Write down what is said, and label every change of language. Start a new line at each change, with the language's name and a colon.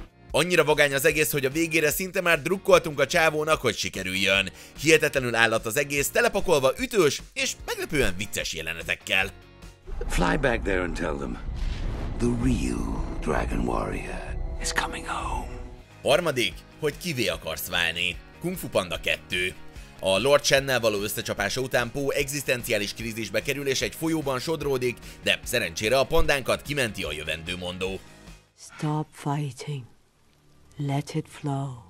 Hungarian: Annyira vagány az egész, hogy a végére szinte már drukkoltunk a csávónak, hogy sikerüljön. Hihetetlenül állat az egész, telepakolva ütős és meglepően vicces jelenetekkel.
English: Fly back there and tell them. The real dragon warrior is coming home.
Hungarian: Harmadik, hogy kivé akarsz válni. Kung Fu Panda 2. A Lord Shennel való összecsapása után Po egzisztenciális krízisbe kerül és egy folyóban sodródik, de szerencsére a pandánkat kimenti a jövendőmondó.
English: Stop fighting. Let it flow.